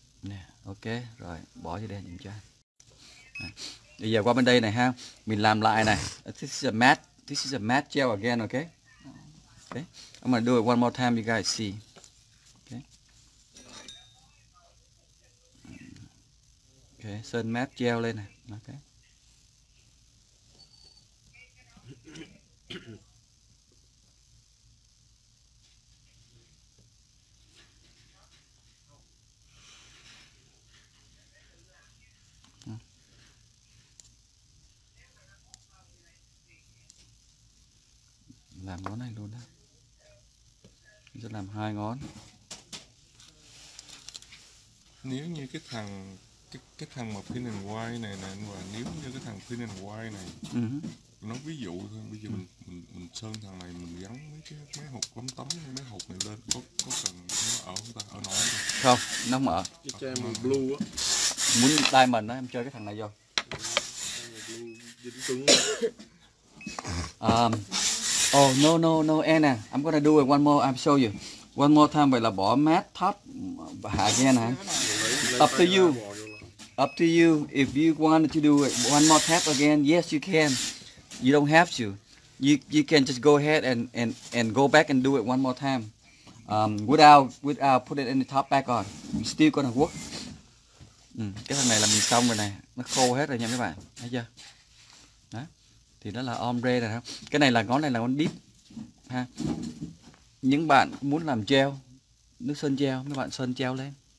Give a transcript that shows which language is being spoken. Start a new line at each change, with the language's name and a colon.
Vietnamese: Yeah, ok, rồi, bỏ vô đây nhìn cho anh. Bây giờ qua bên đây này ha, mình làm lại này.
English: This is a matte gel again, ok? Ok, I'm gonna do it one more time, you guys see. Ok, okay.
Vietnamese: Sơn matte gel lên này, ok. Làm ngón này luôn á. Sẽ làm hai ngón. Nếu như cái thằng mà thin and white này nè anh Hòa, nếu như cái thằng thin and white này nó ví dụ thôi, bây giờ mình sơn thằng này, mình gắn mấy hộp lấm tấm, mấy hộp này lên, có cần nó ở không ta, ở nổi không? Không, nó không ở. Cho em màu blue á. Muốn tay mình á, em chơi cái thằng này vô.
English: Oh no, Anna, I'm gonna do it one more, I'll show you. One more time,
Vietnamese: vậy là bỏ
English: matte top again, huh? Up to you, if you wanted to do it one more tap again, yes you can. You don't have to. You can just go ahead and go back and do it one more time. Without putting any top back on. It's still gonna work.
Vietnamese: Cái thằng này là mình xong rồi này. Nó khô hết rồi nha mấy bạn. Thấy chưa? Đó. Thì đó là ombre rồi ha. Cái này là ngón deep. Ha. Những bạn muốn làm gel, nước sơn gel, mấy bạn sơn gel lên.